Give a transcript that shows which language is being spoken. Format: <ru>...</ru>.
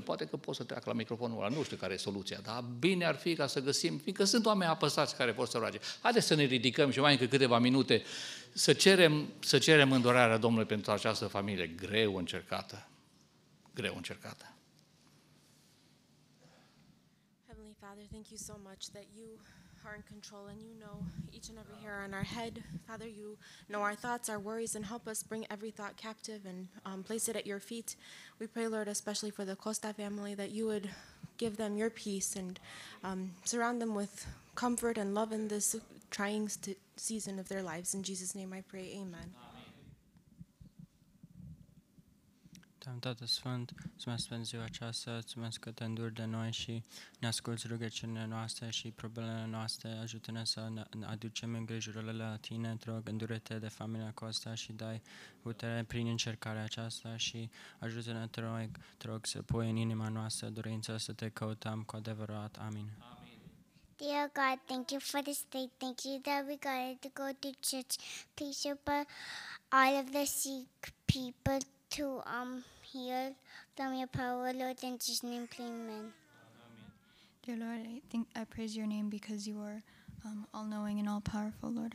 <ro>Poate că pot să treacă la microfonul ăla, nu știu care e soluția, dar bine ar fi ca să găsim, fiindcă sunt oameni apăsați care vor să roage. Haideți să ne ridicăm și mai încă câteva minute să cerem îndurarea Domnului pentru această familie greu încercată. Greu încercată.</ro> <en>Father, thank you so much that you are in control and you know each and every hair on our head. Father, you know our thoughts, our worries, and help us bring every thought captive and place it at your feet. We pray, Lord, especially for the Costa family, that you would give them your peace and surround them with comfort and love in this trying season of their lives. In Jesus' name I pray, amen.</en> <ro>Doamne, Tată Sfânt, mulțumesc pentru ziua aceasta, mulțumesc că te înduri de noi și ne asculți rugăciunile noastre și problemele noastre, ajută-ne să ne aducem îngrijorările la tine, te rog, îndură-te de familia Costa și dai putere prin încercarea aceasta și ajută-ne, te rog, să pui în inima noastră dorința să te căutăm cu adevărat. Amin.</ro> <en>Dear God, thank you for this day. Thank you that we got to go to church. Please help all of the sick people to heal from your power, Lord, in Jesus' name, pray, amen. Dear Lord, I praise your name because you are all-knowing and all-powerful, Lord.</en>